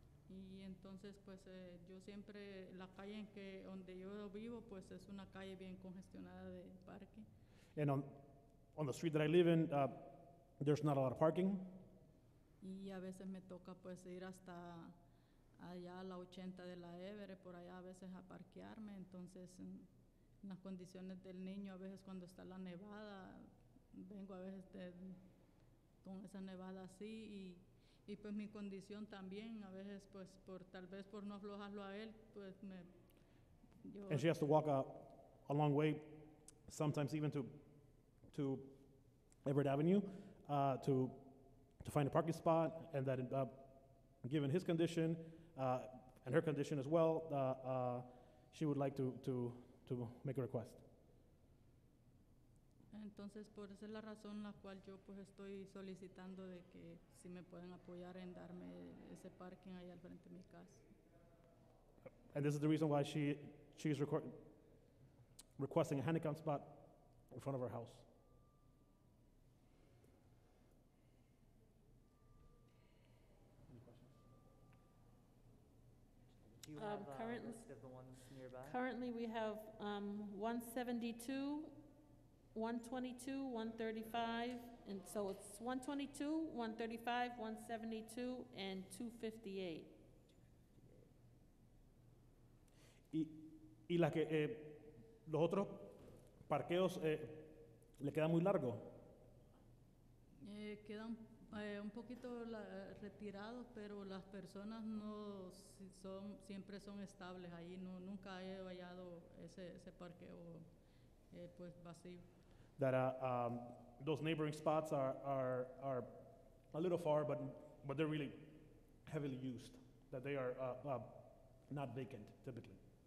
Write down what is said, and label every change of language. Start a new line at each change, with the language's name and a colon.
Spanish: Y entonces pues yo siempre la calle en que donde yo vivo pues es una calle bien congestionada de parque.
English: And on the street that I live in there's not a lot of parking.
Spanish: Y a veces me toca pues ir hasta allá a la 80 de la Everett, por allá a veces a parquearme, entonces en las condiciones del niño, a veces cuando está la nevada, vengo a veces con esa nevada así, y pues mi condición también, a veces pues por tal vez por no aflojarlo a él, pues me... Yo
English: and she has to walk a long way, sometimes even to Everett Avenue, to find a parking spot, and that given his condition, and her condition as well, she would like to make a request.
Spanish: Entonces, por esa la razón la cual yo pues estoy solicitando de que si me pueden apoyar en darme ese parking ahí al frente de mi casa.
English: And this is the reason why she is requesting a handicap spot in front of her house. Do you have a list of the ones nearby? Currently we have 172, 122, 135, and so it's 122, 135, 172, and 258.
Spanish: Y la que los otros parqueos le queda muy largo. Quedan un poquito retirados, pero las personas no son siempre son estables ahí. No, nunca he hallado ese parqueo pues vacío.
English: That those neighboring spots are a little far, but they're really heavily used. That they are not vacant typically.